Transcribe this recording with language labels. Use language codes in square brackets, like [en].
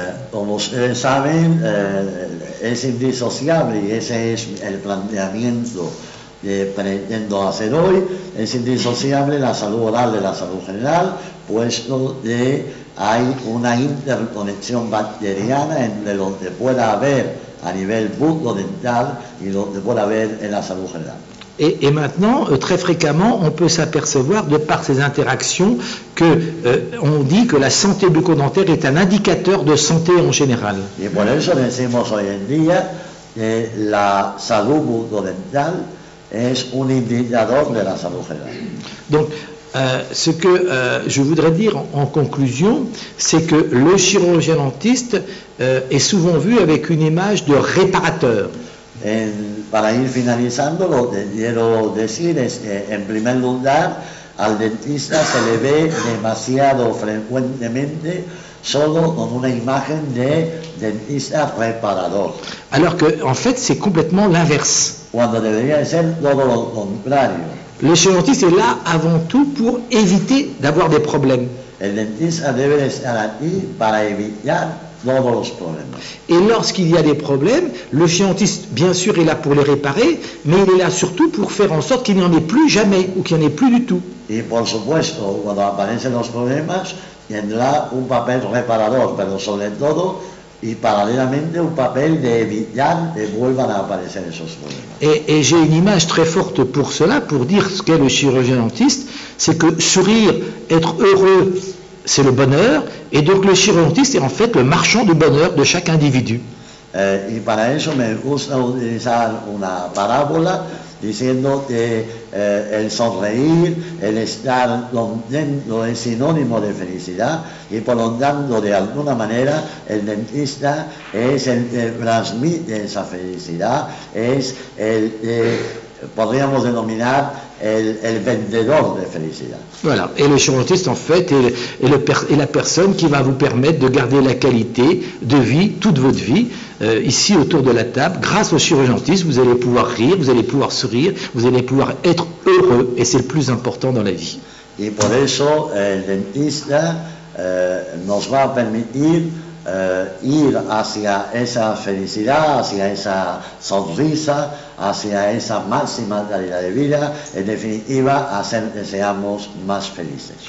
[fr] Comme vous le savez, c'est indissociable, et c'est le [es] planteamiento que pretendo hacer hoy, es indisociable la salud oral de la salud general, puesto que hay una interconexión bacteriana entre lo que pueda haber a nivel bucodental y lo que pueda haber en la salud general. [fr] Et maintenant, très fréquemment, on peut s'apercevoir, de par ces interactions, que on dit que la santé bucodentaire est un indicateur de santé en général. [es] Y por eso decimos hoy en día que la salud bucodental es un indicador de la salud general. [fr] Donc, ce que je voudrais dire en conclusion, c'est que le chirurgien dentiste est souvent vu avec une image de réparateur. [es] Et para ir finalizando, lo que quiero decir es que, en primer lugar, al dentista se le ve demasiado frecuentemente solo con una imagen de dentista reparador. [fr] Alors que, en fait, c'est complètement l'inverse. [es] Cuando debería ser todo lo contrario. [fr] Le chirurgien est là avant tout pour éviter d'avoir des problèmes. [es] El dentista debe estar aquí para evitar todos los problemas. [fr] Et lorsqu'il y a des problèmes, le chirurgien, bien sûr, est là pour les réparer, mais il est là surtout pour faire en sorte qu'il n'y en ait plus jamais ou qu'il n'y en ait plus du tout. [es] Y por supuesto, cuando aparecen los problemas, tendrá un papel reparador, pero sobre todo, y paralelamente un papel de evitar que vuelvan a aparecer esos problemas. [fr] Et j'ai une image très forte pour cela, pour dire ce qu'est le chirurgien dentiste, c'est que sourire, être heureux, c'est le bonheur, et donc le chirurgien dentiste est en fait le marchand de bonheur de chaque individu. [es] Y para eso me gusta utilizar una parábola diciendo que el sonreír, el estar contento es sinónimo de felicidad y por lo tanto de alguna manera el dentista es el que transmite esa felicidad, es el que podríamos denominar el vendedor de felicidad. [fr] Voilà, et le chirurgiste en fait est la personne qui va vous permettre de garder la qualité de vie toute votre vie. Ici autour de la table, grâce au chirurgien-dentiste, vous allez pouvoir rire, vous allez pouvoir sourire, vous allez pouvoir être heureux, et c'est le plus important dans la vie. Et pour ça, le dentiste nous va permettre [es] ir hacia esa felicidad, hacia esa sonrisa, hacia esa máxima calidad de vida, en definitiva, hacer que seamos más felices.